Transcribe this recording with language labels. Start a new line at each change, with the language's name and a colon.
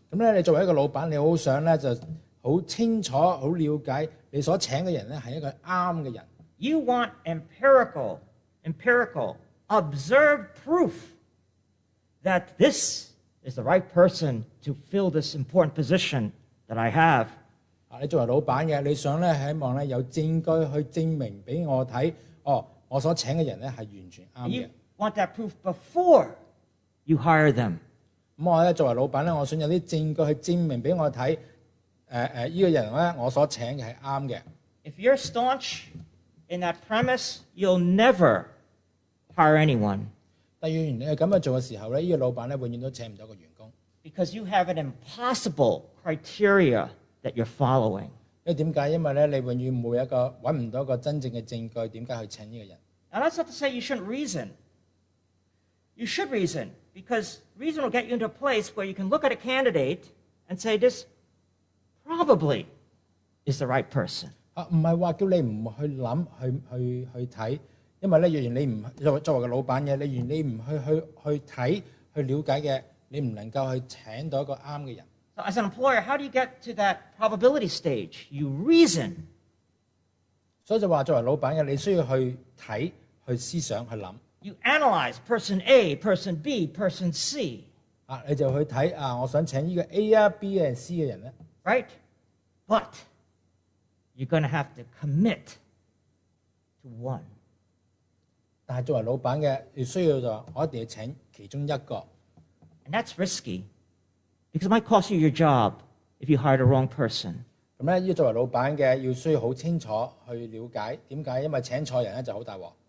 Cantonese: 咁咧，你作為一個老闆，你好想咧就好清楚、好了解你所請嘅人咧係一個啱嘅人。
English: You want empirical, observed proof that this is the right person to fill this important position that I have.
Cantonese: 啊，你作為老闆嘅，你想咧希望咧有證據去證明俾我睇，哦，我所請嘅人咧係完全啱嘅。
English: You want that proof before you hire them.
Cantonese: 咁我咧作為老闆咧，我想有啲證據去證明俾我睇，依個人咧我所請嘅係啱嘅。
English: If you're staunch. In that premise, you'll never hire anyone.
Cantonese: 但若然你咁样做嘅时候咧，这个老板咧永远都请唔到个员工。
English: Because you have an impossible criteria that you're following.
Cantonese: 因为点解？因为咧，你永远冇一个揾唔到一个真正嘅证据，点解去请呢个人
English: ？Now that's not to say you shouldn't reason. You should reason because reason will get you into a place where you can look at a candidate and say this probably is the right person.
Cantonese: 啊，唔係話叫你唔去諗，去睇，因為咧，若然你唔作為個老闆嘅，你若然你唔去睇，去了解嘅，你唔能夠去請到一個啱嘅人。
English: So as an employer, how do you get to that probability stage? You reason.
Cantonese: 所以就話作為老闆嘅，你需要去睇、去思想、去諗。
English: You analyze person A, person B, person C.
Cantonese: 啊，你就去睇啊，我想請呢個 A 啊、B 啊、C 嘅人咧。
English: Right, but. You're going to have to commit to one.
Cantonese: 但作為老闆的，你需要就我一定要請其中一個。
English: And that's risky, because it might cost you your job if you hire the wrong person.
Cantonese: 咁咧，要作為老闆嘅，要需要好清楚去了解點解，因為請錯人咧就好大鑊。